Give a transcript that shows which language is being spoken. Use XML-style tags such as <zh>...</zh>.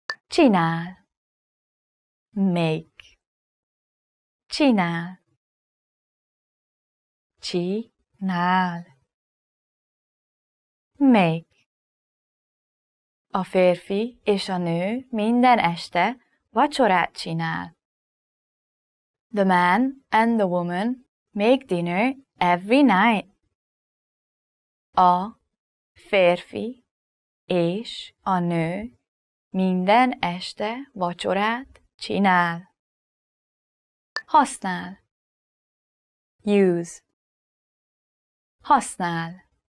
<hu>Csinál. Make. Csinál. Csinál. Make. A férfi és a nő minden este vacsorát csinál.</hu> <en>The man and the woman make dinner every night.</en> <hu>A férfi és a nő minden este vacsorát csinál. Használ. Use. Használ.</hu>